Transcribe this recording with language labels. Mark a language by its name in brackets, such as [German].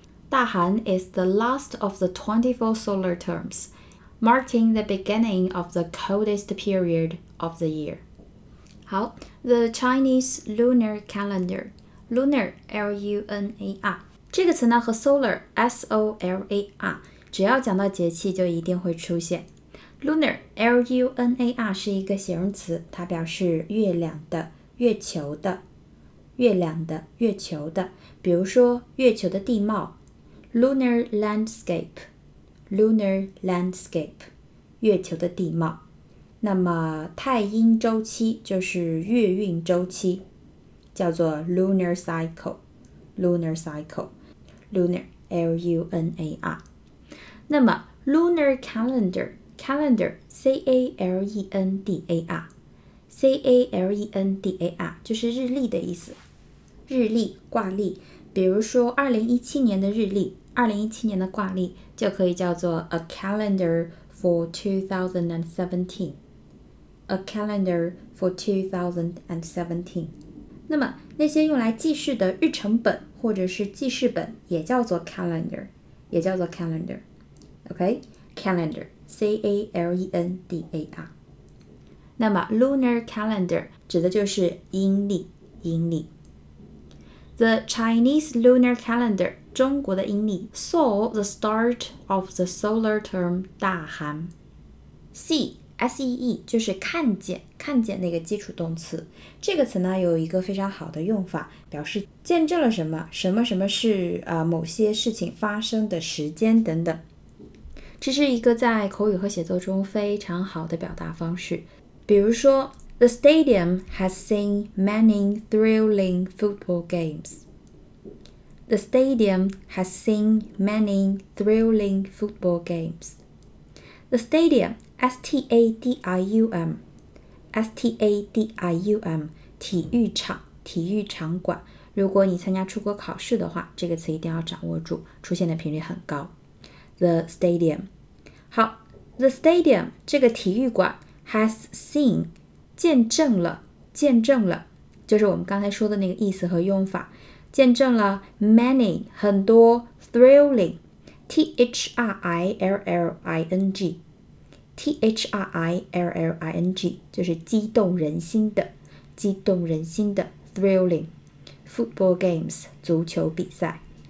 [English] 大寒 is the last of the 24 solar terms, marking the beginning of the coldest period of the year. [Chinese] 好， [English] the Chinese lunar calendar, [Chinese] lunar, L-U-N-A-R, 这个词呢和 solar, S-O-L-A-R, 只要讲到节气就一定会出现。 lunar, L-U-N-A-R 是一个形容词，它表示月亮的、月球的、月亮的、月球的，比如说月球的地貌。 [English] Lunar landscape, lunar landscape, 月球的地貌。 [Chinese] 那么太阴周期就是月运周期，叫做 lunar cycle, lunar cycle, lunar, L-U-N-A-R。那么 lunar calendar, calendar, C-A-L-E-N-D-A-R, C-A-L-E-N-D-A-R 就是日历的意思，日历、挂历，比如说2017年的日历，2017年的挂历就可以叫做 [English] A calendar for 2017, [Chinese] A calendar for 2017。那么那些用来记事的日程本或者是记事本也叫做 calendar, 也叫做 calendar, OK? calendar, C-A-L-E-N-D-A-R。 那么 lunar calendar 指的就是阴历，阴历。 [English] The Chinese lunar calendar, [Chinese] 中国的阴历 [English] saw the start of the solar term 大寒。 [Chinese] see, S-E-E 就是看见，看见那个基础动词，这个词呢有一个非常好的用法，表示见证了什么，什么什么是、某些事情发生的时间等等。这是一个在口语和写作中非常好的表达方式。 [English] 比如说 The stadium has seen many thrilling football games. The stadium has seen many thrilling football games. The stadium, S-T-A-D-I-U-M, S-T-A-D-I-U-M, 体育场，体育场馆。 [Chinese] 如果你参加出国考试的话，这个词一定要掌握住，出现的频率很高。 [English] The stadium. [Chinese] 好 ,The stadium, 这个体育馆 has seen, 见证了，见证了，就是我们刚才说的那个意思和用法，见证了 many, 很多 thrilling, T-H-R-I-L-L-I-N-G, T-H-R-I-L-L-I-N-G, 就是激动人心的，激动人心的 thrilling,Football games, 足球比赛。